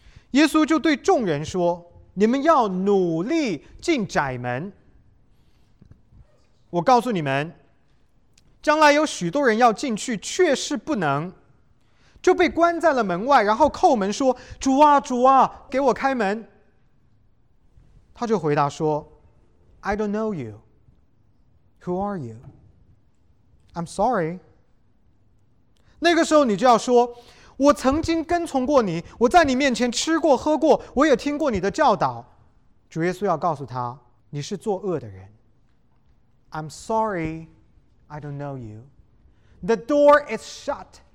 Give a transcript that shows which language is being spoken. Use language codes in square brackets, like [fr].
[zh] 耶稣就对众人说，你们要努力进窄门，我告诉你们，将来有许多人要进去却是不能，就被关在了门外，然后叩门说，主啊，主啊，给我开门。他就回答说， [en] I don't know you. Who are you? I'm sorry. [zh] 那个时候你就要说，我曾经跟从过你，我在你面前吃过喝过，我也听过你的教导。主耶稣要告诉他，你是作恶的人。 [en] I'm sorry, I don't know you. The door is shut.